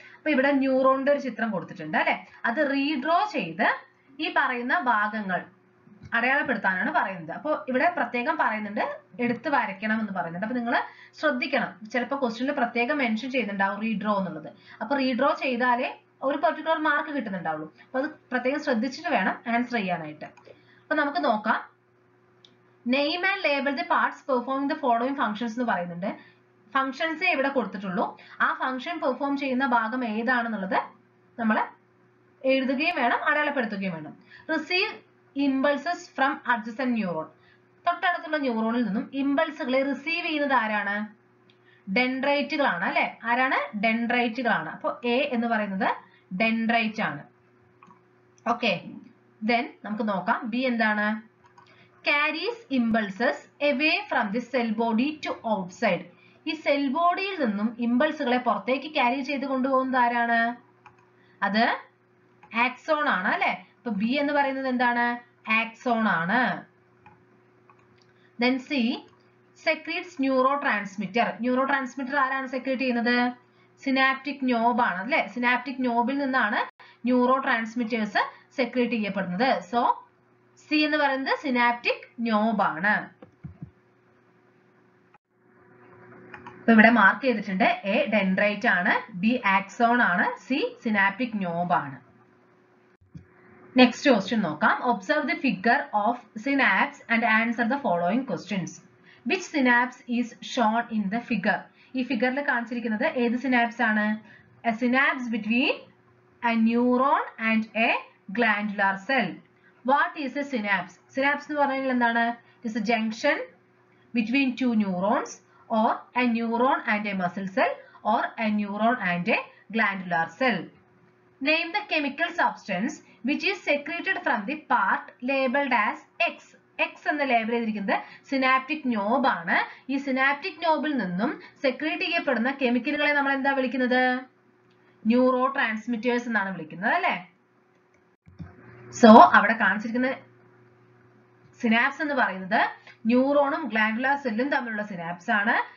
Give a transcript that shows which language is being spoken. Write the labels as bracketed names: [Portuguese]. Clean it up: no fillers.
[Malayalam] അപ്പൊ ഇവിടെ ന്യൂറോണിന്റെ ഒരു ചിത്രം കൊടുത്തിട്ടുണ്ട് അല്ലെ. അത് റീഡ്രോ ചെയ്ത് ഈ പറയുന്ന ഭാഗങ്ങൾ അടയാളപ്പെടുത്താനാണ് പറയുന്നത്. അപ്പോൾ ഇവിടെ പ്രത്യേകം പറയുന്നുണ്ട് എടുത്ത് വരയ്ക്കണം എന്ന് പറയുന്നുണ്ട്. അപ്പൊ നിങ്ങൾ ശ്രദ്ധിക്കണം, ചിലപ്പോൾ ക്വസ്റ്റ്യനിൽ പ്രത്യേകം മെൻഷൻ ചെയ്യുന്നുണ്ടാവും റീഡ്രോ എന്നുള്ളത്. അപ്പൊ റീഡ്രോ ചെയ്താലേ ഒരു പെർട്ടിക്കുലർ മാർക്ക് കിട്ടുന്നുണ്ടാവുള്ളൂ. അപ്പൊ അത് പ്രത്യേകം ശ്രദ്ധിച്ചിട്ട് വേണം ആൻസർ ചെയ്യാനായിട്ട്. അപ്പൊ നമുക്ക് നോക്കാം. [English] Name and label the parts performing the following functions [Malayalam] എന്ന് പറയുന്നുണ്ട്. ഫംഗ്ഷൻസ് ഇവിടെ കൊടുത്തിട്ടുള്ളൂ. ആ ഫംഗ്ഷൻ പെർഫോം ചെയ്യുന്ന ഭാഗം ഏതാണെന്നുള്ളത് നമ്മൾ എഴുതുകയും വേണം, അടയാളപ്പെടുത്തുകയും വേണം. [English] Receive impulses from adjacent neuron. [Malayalam] തൊട്ടടുത്തുള്ള ന്യൂറോണിൽ നിന്നും ഇമ്പൾസുകളെ റിസീവ് ചെയ്യുന്നത് ആരാണ്? ഡെൻഡ്രൈറ്റുകളാണ് അല്ലെ. ആരാണ്? ഡെൻഡ്രൈറ്റുകളാണ്. അപ്പോൾ എ എന്ന് പറയുന്നത് ഡെൻഡ്രൈറ്റ് ആണ്. ഓക്കെ, ദെൻ നമുക്ക് നോക്കാം ബി എന്താണ്. [English] Carries impulses away from the cell body to outside. [Malayalam] ഈ സെൽ ബോഡിയിൽ നിന്നും ഇമ്പൾസുകളെ പുറത്തേക്ക് ക്യാരി ചെയ്ത് കൊണ്ടുപോകുന്നത് ആരാണ്? അത് ആക്സോൺ ആണ് അല്ലെ. അപ്പൊ ബി എന്ന് പറയുന്നത് എന്താണ്? ആക്സോൺ ആണ്. [English] Then C, secretes neurotransmitter. [Malayalam] Neurotransmitter ആരാണ് secrete ചെയ്യുന്നത്? സിനാപ്റ്റിക് ന്യോബ് ആണ് അല്ലെ. സിനാപ്റ്റിക് ന്യോബിൽ നിന്നാണ് ന്യൂറോ ട്രാൻസ്മിറ്റേഴ്സ് സെക്രീറ്റ് ചെയ്യപ്പെടുന്നത്. സോ സി എന്ന് പറയുന്നത് സിനാപ്റ്റിക് ന്യോബ് ആണ്. ഇപ്പൊ ഇവിടെ മാർക്ക് ചെയ്തിട്ടുണ്ട് എ ഡെൻഡ്രൈറ്റ് ആണ്, ബി ആക്സോൺ ആണ്, സി സിനാപ്റ്റിക് ന്യോബ് ആണ്. നെക്സ്റ്റ് ക്വസ്റ്റ്യൻ നോക്കാം. [English] Observe the figure of synapse and answer the following questions. Which synapse is shown in the figure. [Malayalam] ഈ ഫിഗറിൽ കാണിച്ചിരിക്കുന്നത് ഏത് സിനാപ്സ് ആണ്? [English] A synapse between a neuron and a glandular cell. What is a synapse? [Malayalam] Synapse എന്ന് പറഞ്ഞാൽ എന്താണ്? [English] It's a junction between two neurons or a neuron and a muscle cell or a neuron and a glandular cell. Name the chemical substance which is secreted from the part labeled as X. [Malayalam] X എന്ന label ചെയ്തിരിക്കുന്നത് synaptic ന്യോബ് ആണ്. ഈ synaptic ന്യോബിൽ നിന്നും secrete ചെയ്യപ്പെടുന്ന കെമിക്കലുകളെ നമ്മൾ എന്താ വിളിക്കുന്നത്? Neuro transmitters എന്നാണ് വിളിക്കുന്നത് അല്ലെ. സോ അവിടെ കാണിച്ചിരിക്കുന്ന സിനാപ്സ് എന്ന് പറയുന്നത് ന്യൂറോണും ഗ്ലാൻഡുലാർ സെല്ലും തമ്മിലുള്ള സിനാപ്സ് ആണ്.